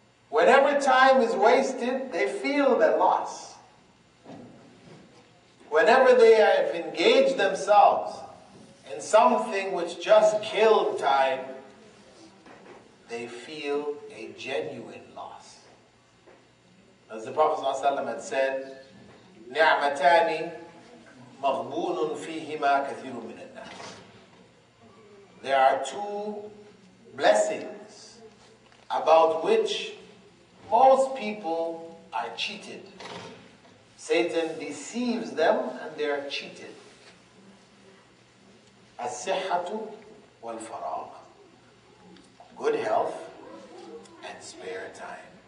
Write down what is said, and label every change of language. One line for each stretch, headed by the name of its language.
English: Whenever time is wasted, they feel the loss. Whenever they have engaged themselves in something which just killed time, they feel a genuine loss. As the Prophet ﷺ had said,
Arabic: نِعْمَتَانِ مَغْبُونٌ فِيهِمَا كَثِيرٌ مِنَ النَّاسِ.
English: There are two blessings about which most people are cheated. Satan deceives them and they are cheated.
Arabic: As-sihhatu wal-faragh.
English: Good health and spare time.